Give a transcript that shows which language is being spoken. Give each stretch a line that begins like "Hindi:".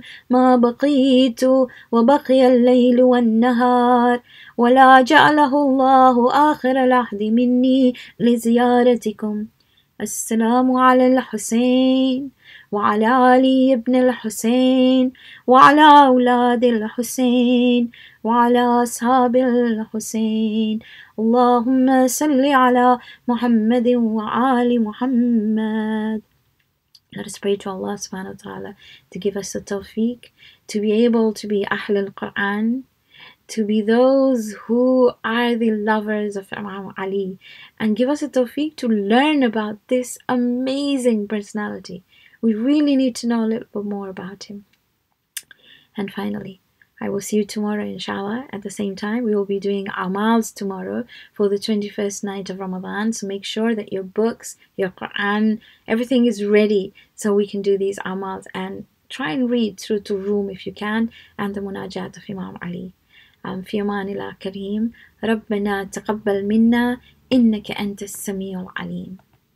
Arabic: ما بقيت وبقي الليل والنهار ولا جعله الله آخر العهد مني لزيارتكم السلام على الحسين وعلى علي بن الحسين وعلى أولاد الحسين وعلى أصحاب الحسين اللهم صل على محمد وعلى محمد
English: Let us pray to Allah subhanahu wa ta'ala to give us the tawfiq to be able to be Ahl al-Quran, to be those who are the lovers of Imam Ali, and give us a tawfiq to learn about this amazing personality. We really need to know a little bit more about him. And finally, I will see you tomorrow, inshallah. At the same time, we will be doing amals tomorrow for the 21st night of Ramadan. So make sure that your books, your Quran, everything is ready so we can do these amals. And try and read through to Room if you can, and the Munajat of Imam Ali.
Arabic: في أمان الله كريم ربنا تقبل منا إنك أنت السميع العليم